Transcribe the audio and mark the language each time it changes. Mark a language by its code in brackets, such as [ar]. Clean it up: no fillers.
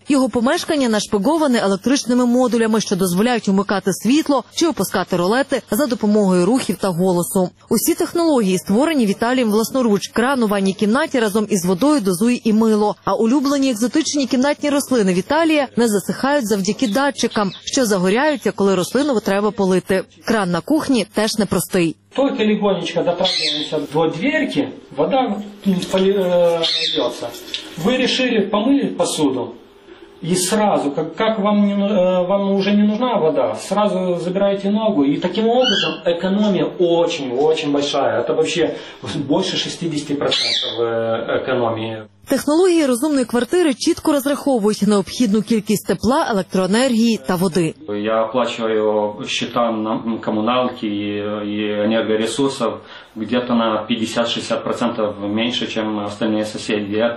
[uk] Його помешкання нашпиговане електричними модулями, що дозволяють вмикати світло чи опускати ролети за допомогою рухів та голосу. Усі технології створені Віталієм власноруч. Кран у ванній кімнаті разом із водою дозує і мило. А улюблені екзотичні кімнатні рослини Віталія не засихають завдяки датчикам, що загоряються, коли рослину треба полити. Кран на кухні теж непростий. [ru] Только легонечко дотрагиваемся до дверки, вода польется. Вы решили помыть посуду, и сразу, как вам уже не нужна вода, сразу забираете ногу, и таким образом экономия очень-очень большая. Это вообще больше 60% экономии. [uk] Технології розумної квартири чітко розраховують необхідну кількість тепла, електроенергії та води. Я оплачую счета на комуналки і енергоресурсів где-то на 50-60% менше, ніж остальні сусіди.